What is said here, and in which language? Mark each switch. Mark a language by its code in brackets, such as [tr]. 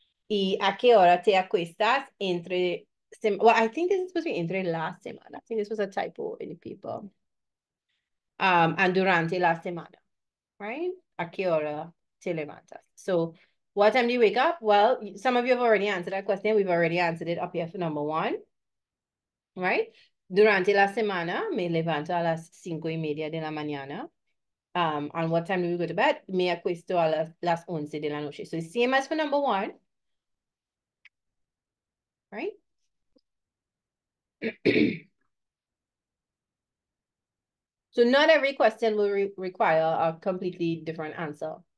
[es] ¿Y a qué hora te acuestas entre sem [en] well, I think this is supposed to be [es] entre la semana. [en] I think this was a typo in the paper. And [es] durante la semana, [en] right? [es] ¿A qué hora te levantas? [en] So What time do you wake up? Well, some of you have already answered that question. We've already answered it up here for number one, right? [es] Durante la semana, me levanto a las 5:30 de la mañana. [en] And what time do we go to bed? [es] Me acuesto a las 11 de la noche. [en] So same as for number one, right? So not every question will re require a completely different answer.